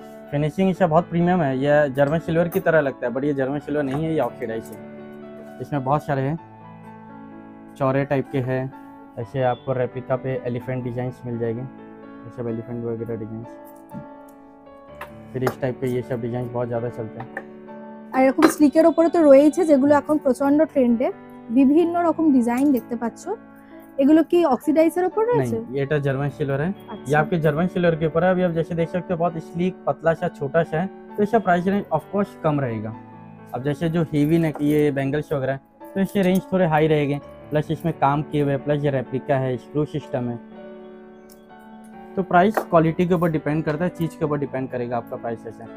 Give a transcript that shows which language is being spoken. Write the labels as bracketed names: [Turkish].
[Hindi] Finishing इसका बहुत premium है, ये जर्मन सिल्वर की तरह लगता है बट ये जर्मन सिल्वर नहीं है, ये ऑक्सीडाइज्ड है। इसमें बहुत सारे हैं, चौरे टाइप के हैं, ऐसे आपको रेप्लिका पे एलिफेंट डिजाइंस मिल जाएंगे, ये सब एलिफेंट वगैरह डिजाइंस। फिर इस टाइप के ये सब डिजाइंस बहुत ज्यादा चलते हैं। [Bangla] আর এরকম স্লিকার উপরে তো রয়েছে যেগুলো এখন প্রচন্ড ট্রেন্ডে, বিভিন্ন রকম ডিজাইন দেখতে পাচ্ছো, এগুলো কি অক্সিডাইজার উপর রয়েছে? নাই, এটা জার্মান সিলভার [Hindi] है, ये आपके जर्मन सिल्वर के ऊपर है। अभी आप जैसे देख सकते हो बहुत स्लीक पतला सा छोटा सा है, तो इसका प्राइस रेंज ऑफकोर्स कम रहेगा। अब जैसे जो हेवी नेक ये बैंगल्स वगैरह है तो इसके रेंज थोड़े हाई रहेंगे, प्लस इसमें काम किए हुए, प्लस ये रेप्लिका है, स्क्रू सिस्टम है, तो प्राइस क्वालिटी के ऊपर डिपेंड करता है, चीज के ऊपर डिपेंड करेगा आपका प्राइस।